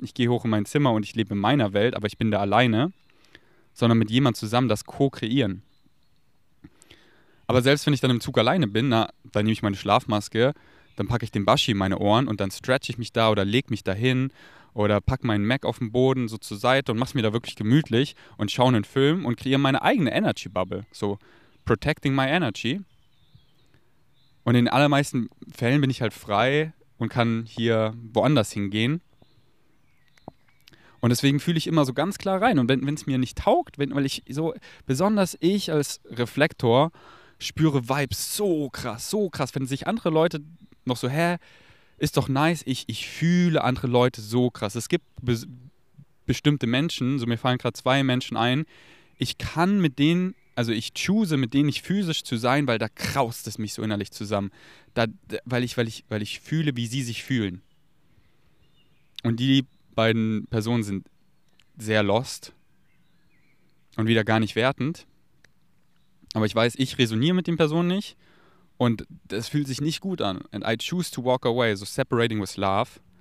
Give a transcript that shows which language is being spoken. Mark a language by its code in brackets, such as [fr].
[de] Ich gehe hoch in mein Zimmer und ich lebe in meiner Welt, aber ich bin da alleine, sondern mit jemandem zusammen das Co-Kreieren. Aber selbst wenn ich dann im Zug alleine bin, na, dann nehme ich meine Schlafmaske, dann packe ich den Baschi in meine Ohren und dann stretch ich mich da oder leg mich da hin oder packe meinen Mac auf den Boden so zur Seite und mache es mir da wirklich gemütlich und schaue einen Film und kreiere meine eigene Energy-Bubble. [en] So, protecting my energy. [de] Und in allermeisten Fällen bin ich halt frei und kann hier woanders hingehen. Und deswegen fühle ich immer so ganz klar rein. Und wenn es mir nicht taugt, weil ich so, besonders ich als Reflektor, spüre Vibes so krass. Wenn sich andere Leute noch so, hä, ist doch nice, ich fühle andere Leute so krass. Es gibt bestimmte Menschen, so mir fallen gerade zwei Menschen ein, ich kann mit denen, also ich choose, mit denen ich physisch zu sein, weil da kraust es mich so innerlich zusammen. Weil ich fühle, wie sie sich fühlen. Und die beiden Personen sind sehr lost. und wieder gar nicht wertend. Aber ich weiß, ich resoniere mit den Personen nicht und das fühlt sich nicht gut an. [en] And I choose to walk away, so separating with love.